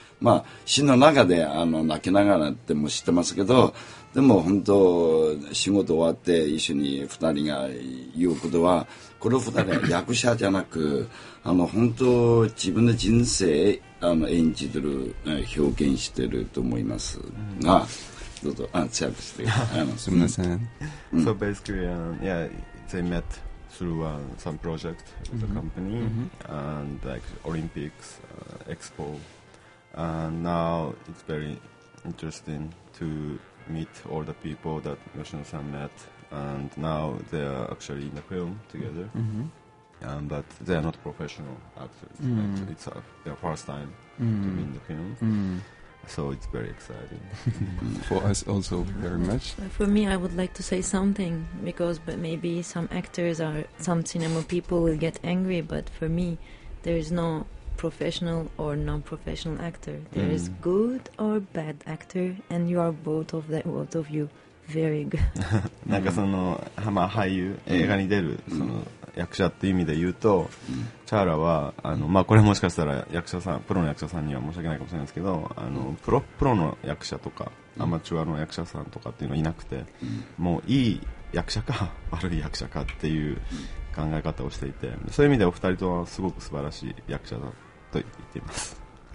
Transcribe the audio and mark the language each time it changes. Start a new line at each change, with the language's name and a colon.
Japanese: まあ死の中で泣きながらっても知ってますけど、でも本当仕事終わって一緒に二人が言うことは、この二人は役者じゃなく本当自分の人生演じてる表現してると思いますが、どうぞ。あ、チェックしてすみません。
English: So basically they met through some project with mm-hmm. the company mm-hmm. and like Olympics Expo, and now it's very interesting to meet all the people that Yoshino-san met, and now they are actually in the film together mm-hmm. But they are not professional actors mm-hmm. right? It's their first time mm-hmm. to be in the film mm-hmm. So it's very exciting. For us also very much. For me, I would like to say something, because but maybe some actors or some cinema people will get angry, but for me, there is no professional or non-professional actor. There is good or bad actor, and you are both of that, both of you, very good.
Japanese: なんかその、まあ、俳優、映画に出るその役者っていう意味で言うと、チャーラはあの、まあ、これもしかしたら役者さん、プロの役者さんには申し訳ないかもしれないですけど、あのプロの役者とかアマチュアの役者さんとかっていうのはいなくて、もういい役者か悪い役者かっていう考え方をしていて、そういう意味でお二人とはすごく素晴らしい役者だと言っています。